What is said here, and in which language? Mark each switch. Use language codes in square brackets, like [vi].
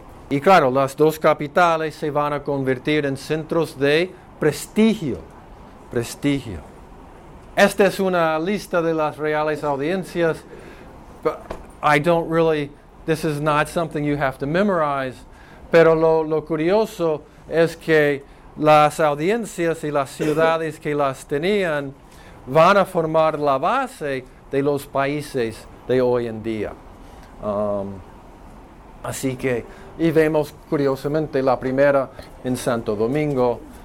[es] Y claro, las dos capitales se van a convertir en centros de prestigio. Prestigio. Esta es una lista de las reales audiencias. [en] But I don't really, this is not something you have to memorize. [es] Pero lo curioso es que las audiencias y las ciudades que las tenían van a formar la base de los países de hoy en día. Así que, y vemos curiosamente la primera en Santo Domingo.